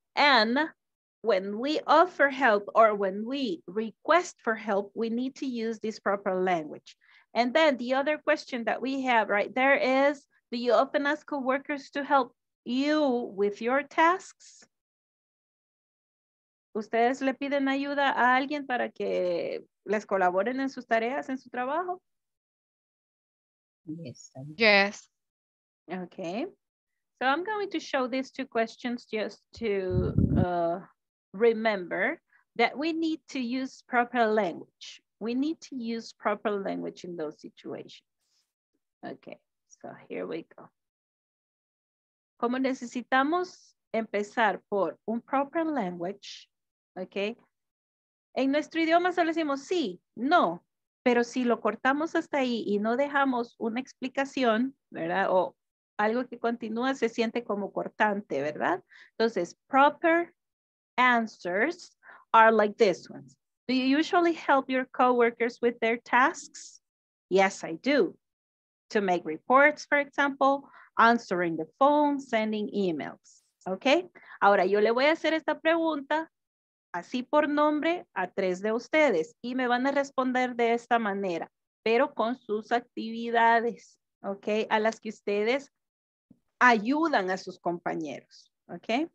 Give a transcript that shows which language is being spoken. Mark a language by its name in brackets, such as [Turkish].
[English] And when we offer help or when we request for help, we need to use this proper language. And then the other question that we have right there is, do you often ask coworkers to help you with your tasks? [Spanish] ¿Ustedes le piden ayuda a alguien para que les colaboren en sus tareas, en su trabajo? [English] Yes. Yes. Okay. So I'm going to show these two questions just to remember that we need to use proper language. We need to use proper language in those situations. Okay. So here we go. [Spanish] Como necesitamos empezar por un proper language, ok. En nuestro idioma solo decimos sí, no, pero si lo cortamos hasta ahí y no dejamos una explicación, ¿verdad? O algo que continúa se siente como cortante, ¿verdad? [English] Entonces, proper answers are like this ones. Do you usually help your coworkers with their tasks? Yes, I do. To make reports, for example, answering the phone, sending emails. Ok. [Spanish] Ahora yo le voy a hacer esta pregunta así por nombre a tres de ustedes y me van a responder de esta manera, pero con sus actividades, ¿ok? A las que ustedes ayudan a sus compañeros, ¿ok?